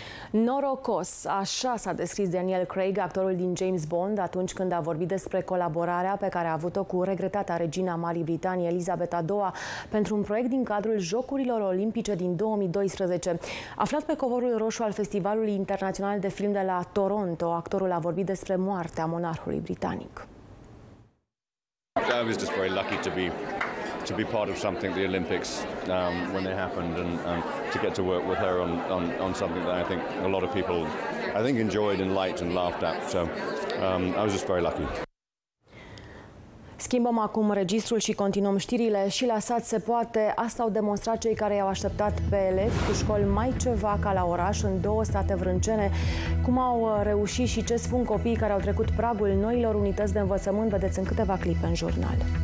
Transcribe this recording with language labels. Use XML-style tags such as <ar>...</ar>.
<ro>Norocos, așa s-a descris Daniel Craig, actorul din James Bond, atunci când a vorbit despre colaborarea pe care a avut-o cu regretata regina Marii Britanii, Elisabeta II, pentru un proiect din cadrul Jocurilor Olimpice din 2012. Aflat pe covorul roșu al Festivalului Internațional de Film de la Toronto, actorul a vorbit despre moartea monarhului britanic.</ro> <en>I was just very lucky to be to be part of something, the Olympics, when they happened, and to get to work with her on something that I think a lot of people, I think, enjoyed and liked and laughed at. So I was just very lucky.</en> <ro>Schimbăm acum registrul și continuăm știrile. Și la sat se poate. Asta au demonstrat cei care i-au așteptat pe elevi cu școli mai ceva ca la oraș în două state vrâncene. Cum au reușit și ce spun copiii care au trecut pragul noilor unități de învățământ, vedeți în câteva clipe în jurnal.</ro>